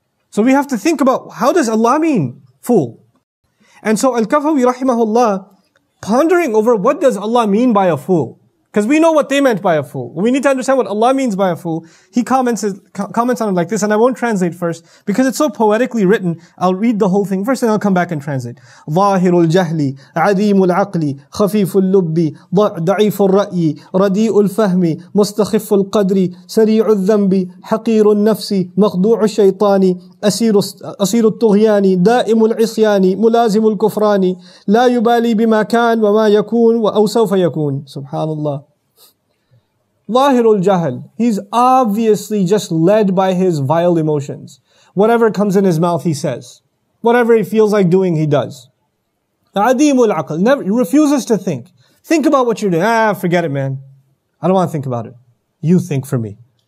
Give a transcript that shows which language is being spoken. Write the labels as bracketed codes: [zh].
[en] So we have to think about, how does Allah mean fool? And so Al-Kafawi rahimahullah, pondering over what does Allah mean by a fool? Because we know what they meant by a fool. We need to understand what Allah means by a fool. He comments on it like this, and I won't translate first, because it's so poetically written. I'll read the whole thing first, and I'll come back and translate. [ar] ظاهر الجهل عظيم العقل خفيف اللب ضعيف الرأي رديء الفهم مستخف القدر سريع الذنب حقير النفس مخدوع الشيطان أسير الطغيان دائم العصيان ملازم الكفران لا يبالي بما كان وما يكون أو سوف يكون. سبحان الله. Lahirul Jahal, [en] he's obviously just led by his vile emotions. Whatever comes in his mouth, he says. Whatever he feels like doing, he does. [ar] Adimul Aql, [en] never refuses to think. Think about what you're doing. Ah, forget it, man. I don't want to think about it. You think for me.